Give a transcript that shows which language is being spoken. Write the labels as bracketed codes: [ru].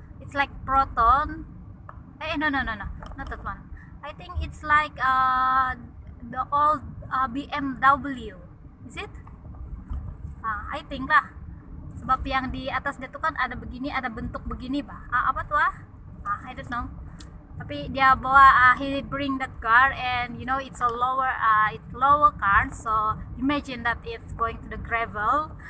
[en] it's like proton. No, not that one. I think it's like the old BMW, is it? I think lah. [ms] Sebab yang di atas dia tuh kan ada begini, ada bentuk begini, bah. Apa tuh ah? [en] I don't know. [ms] Tapi dia bawa [en] he bring that car, and you know it's a lower it's lower car, so imagine that it's going to the gravel.